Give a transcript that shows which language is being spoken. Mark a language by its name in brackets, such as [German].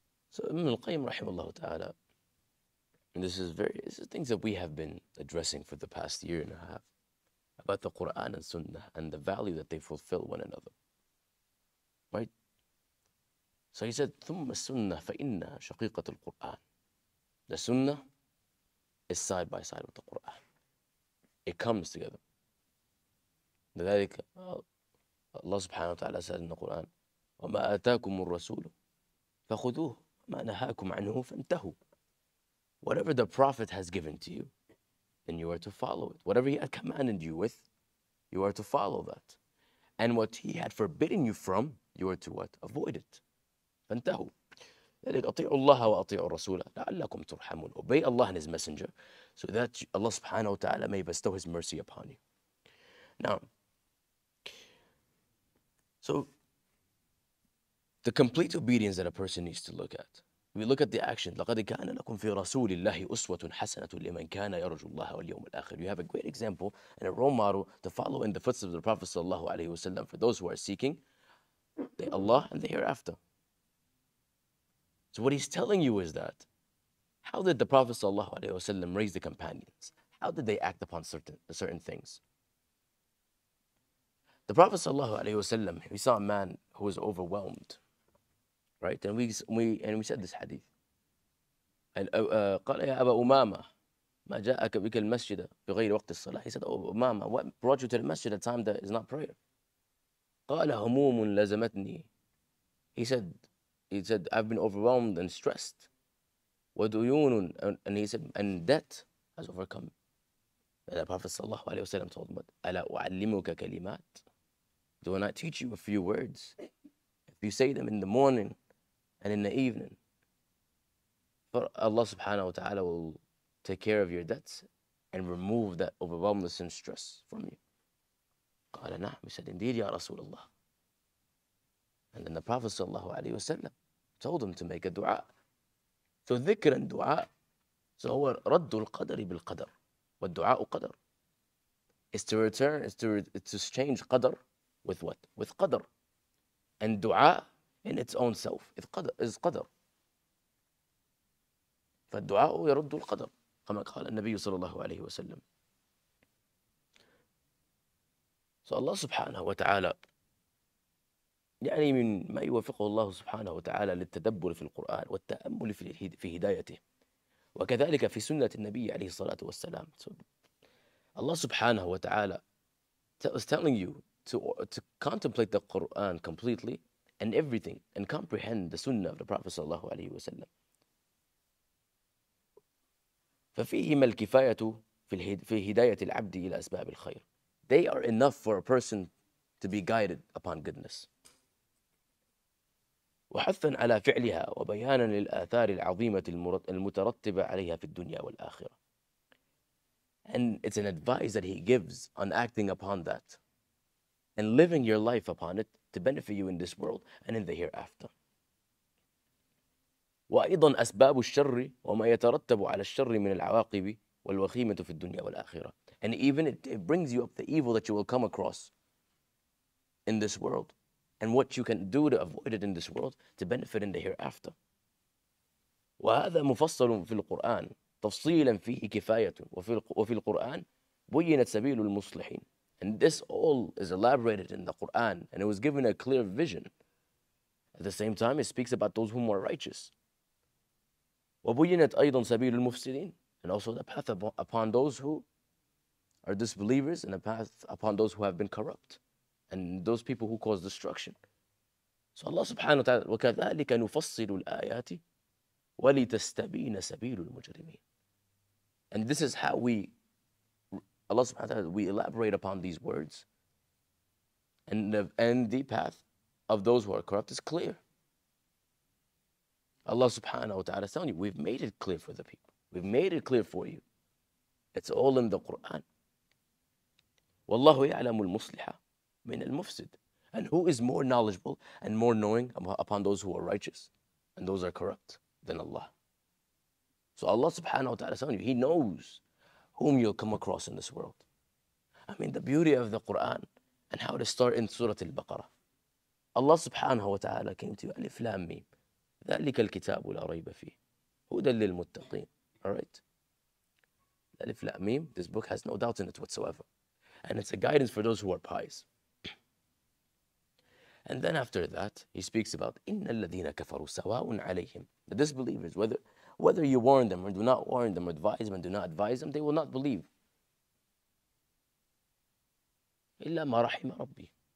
[English] So, Ibn al-Qayyim rahimahullah ta'ala, and this is things that we have been addressing for the past year and a half about the Quran and Sunnah and the value that they fulfill one another. Right? So he said, [Arabic] ثُمَّ السُنَّةَ فَإِنَّا شَقِيقَةُ الْقُرْآنِ. [English] The Sunnah is side by side with the Quran. It comes together. [Arabic] لذلك الله سبحانه وتعالى [English] said in the Quran, [Arabic] وما آتاكم الرسول فخذوه وما نهاكم عنه فانتهوا. [English] Whatever the Prophet has given to you, then you are to follow it. Whatever he had commanded you with, you are to follow that. And what he had forbidden you from, you are to what? Avoid it. فانتهوا. [Arabic] أطيعوا الله وأطيعوا الرسول لعلكم ترحمون. [English] Obey Allah and His Messenger, so that Allah subhanahu wa ta'ala may bestow His mercy upon you. Now, so the complete obedience that a person needs to look at, we look at the action. [Arabic] لقد كان لكم في رسول الله أسوة حسنة لمن كان يرجو الله واليوم الآخر. [English] You have a great example and a role model to follow in the footsteps of the Prophet sallallahu alayhi wasallam for those who are seeking Allah and the hereafter. So what he's telling you is that how did the Prophet sallallahu alaihi wasallam raise the companions? How did they act upon certain things? The Prophet sallallahu alaihi wasallam, he saw a man who was overwhelmed, right? And we said this hadith. [Arabic] قال يا أبا أمامة ما جاءك بك المسجد بغير وقت الصلاة. [English] He said, oh, Umama, what brought you to the masjid at a time that is not prayer? [Arabic] قال هموم لزمتني. [English] He said, I've been overwhelmed and stressed. وَدُيُونٌ And he said, and debt has overcome. And the Prophet sallallahu alayhi wa sallam told him, [Arabic] أَلَا أُعَلِّمُكَ كَلِمَاتٍ [English] Do I not teach you a few words? If you say them in the morning and in the evening, Allah subhanahu wa ta'ala will take care of your debts and remove that overwhelmness and stress from you? [Arabic] قال نعم. [English] He said, indeed, Ya Rasulullah. And then the Prophet sallallahu alayhi wa sallam told him to make a dua. So dhikr and dua, so [Arabic] huwa raddu al-qadr bil-qadr. Wa dua qadr. [English] It's to return, it's to exchange qadr with what? With qadr. And dua in its own self is qadr. [Arabic] فالدعاء يرد القدر كما قال النبي صلى الله عليه وسلم. [English] So Allah [Arabic] سبحانه وتعالى يعني من ما يوفقه الله سبحانه وتعالى للتدبر في القرآن والتأمل في هدايته وكذلك في سنة النبي عليه الصلاة والسلام. [English] So Allah سبحانه وتعالى is telling you to contemplate the Quran completely and everything and comprehend the sunnah of the Prophet صلى الله عليه وسلم. [Arabic] ففيهما الكفاية في هداية العبد إلى أسباب الخير. [English] They are enough for a person to be guided upon goodness. [Arabic] وحثا على فعلها وبيانا للآثار العظيمة المترتبة عليها في الدنيا والآخرة. [English] And it's an advice that he gives on acting upon that and living your life upon it to benefit you in this world and in the hereafter. [Arabic] وأيضا أسباب الشر وما يترتب على الشر من العواقب والوخيمة في الدنيا والآخرة. [English] And even it brings you up the evil that you will come across in this world and what you can do to avoid it in this world to benefit in the hereafter. [Arabic] وهذا مفصل في القرآن تفصيلا فيه كفاية وفي القرآن بينت سبيل المصلحين. [English] And this all is elaborated in the Quran and it was given a clear vision. At the same time it speaks about those whom are righteous. [Arabic] وَبُيِّنَتْ أَيْضًا سَبِيلُ الْمُفْسِدِينَ. [English] And also the path upon those who are disbelievers and the path upon those who have been corrupt and those people who cause destruction. So [Arabic] Allah subhanahu wa ta'ala, وَكَذَلِكَ نُفَصِّلُ الْآيَاتِ وَلِتَسْتَبِينَ سَبِيلُ الْمُجْرِمِينَ. [English] And this is how we, Allah subhanahu wa ta'ala, we elaborate upon these words and the path of those who are corrupt is clear. Allah subhanahu wa ta'ala is telling you, we've made it clear for the people. We've made it clear for you. It's all in the Quran. [Arabic] وَاللَّهُ يَعْلَمُ الْمُصْلِحَ مِنَ الْمُفْسِدِ. [English] And who is more knowledgeable and more knowing upon those who are righteous and those are corrupt than Allah? So Allah subhanahu wa ta'ala is telling you, He knows whom you'll come across in this world. I mean, the beauty of the Quran and how to start in Surah Al-Baqarah. Allah subhanahu wa ta'ala came to you, Alif Lam Mim. [Arabic] ذلك الكتاب لا ريب فيه هدى للمتقين. [English] Alright, الألف لام ميم, this book has no doubt in it whatsoever and it's a guidance for those who are pious. And then after that he speaks about [Arabic] إن الذين كفروا سواء عليهم. [English] The disbelievers, whether you warn them or do not warn them, advise them or do not advise them, they will not believe [Arabic] إلا ما رحم ربي.